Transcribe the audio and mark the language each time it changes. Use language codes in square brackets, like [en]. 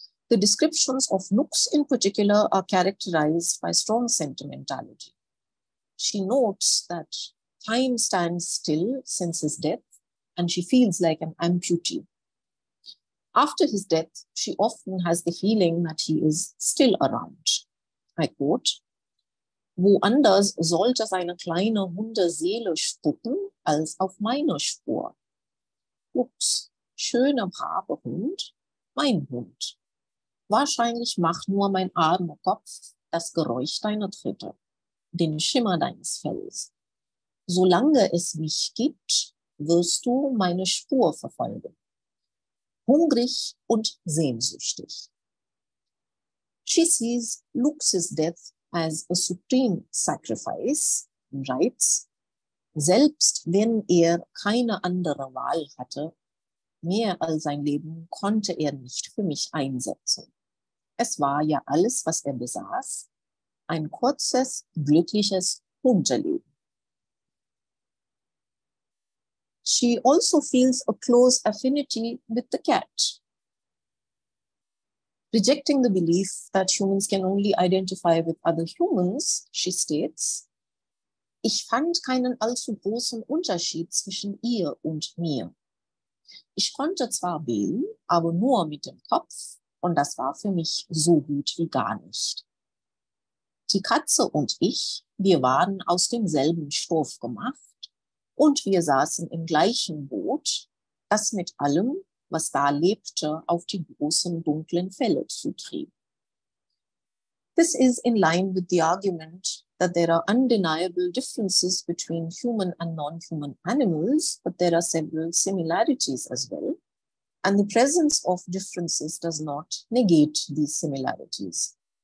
[en] The descriptions of Lux in particular are characterized by strong sentimentality. She notes that time stands still since his death, and she feels like an amputee. After his death, she often has the feeling that he is still around. I quote, [de] "Wo anders sollte seine kleine Hundeseele spucken als auf meiner Spur? Lux, schöner, braver Hund, mein Hund. Wahrscheinlich macht nur mein armer Kopf das Geräusch deiner Tritte, den Schimmer deines Fells. Solange es mich gibt, wirst du meine Spur verfolgen. Hungrig und sehnsüchtig." [en] She sees Lux's death as a supreme sacrifice and writes, [de] "Selbst wenn kein andere Wahl hatte, mehr als sein Leben konnte er nicht für mich einsetzen. Es war ja alles, was er besaß, ein kurzes, glückliches Hundeleben. [en] She also feels a close affinity with the cat. Rejecting the belief that humans can only identify with other humans, she states, [de] ich fand keinen allzu großen Unterschied zwischen ihr und mir. Ich konnte zwar wählen, aber nur mit dem Kopf, und das war für mich so gut wie gar nicht. Die Katze und ich, wir waren aus demselben Stoff gemacht und wir saßen im gleichen Boot, das mit allem, was da lebte, auf die großen dunklen Felle zutrieb. [en] This is in line with the argument that there are undeniable differences between human and non-human animals, but there are several similarities as well, and the presence of differences does not negate these similarities.